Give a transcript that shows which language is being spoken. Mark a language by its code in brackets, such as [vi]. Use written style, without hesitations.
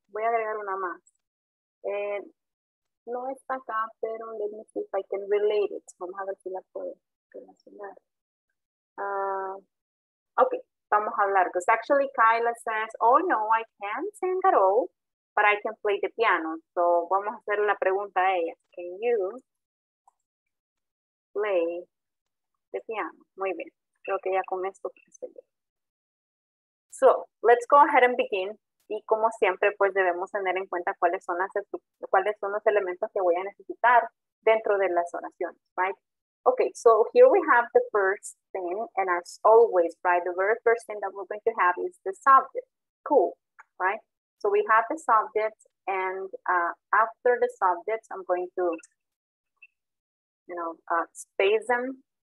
[es] Voy a agregar una más. No está acá, pero [en] let me see if I can relate it. [es] Vamos a ver si la puedo relacionar. Okay, vamos a hablar. [en] Because actually, Kyla says, oh no, I can't sing at all, but I can play the piano. [es] So vamos a hacer la pregunta a ella. [en] Can you play the piano? [es] Muy bien. Creo que ya con esto pasé. [en] So, let's go ahead and begin. [es] Y como siempre, pues debemos tener en cuenta cuáles son los elementos que voy a necesitar dentro de las oraciones, right? [en] Okay, so here we have the first thing, and as always, right, the very first thing that we're going to have is the subject. Cool, right? So we have the subject, and after the subject, I'm going to, you know, space them.